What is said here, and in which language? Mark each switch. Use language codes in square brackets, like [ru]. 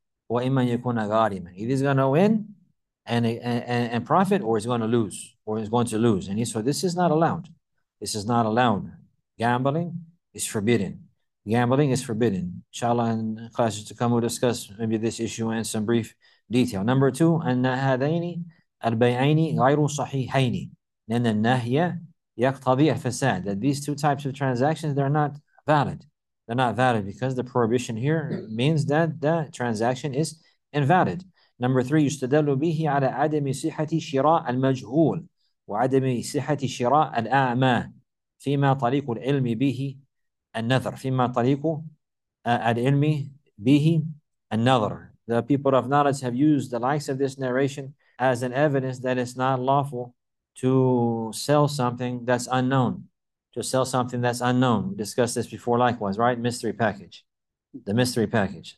[en] Either he's going to win and profit, or he's going to lose, And so this is not allowed. This is not allowed. Gambling is forbidden. Gambling is forbidden. Inshallah, in classes to come, we'll discuss maybe this issue in some brief detail. Number two, [ar] أن هذين البيعين غير صحيحين. لأن النهي يقتضي الفساد. [en] That these two types of transactions, they're not valid. They're not valid because the prohibition here means that the transaction is invalid. Number three, [ar] يستدل به على عدم صحة شراء المجهول وعدم صحة شراء الأعمى. فيما طريق العلم به النذر فيما طريق ad ilmi bihi an-nadhr. [en] The people of knowledge have used the likes of this narration as an evidence that it's not lawful to sell something that's unknown. To sell something that's unknown. We discussed this before likewise, right? Mystery package. The mystery package.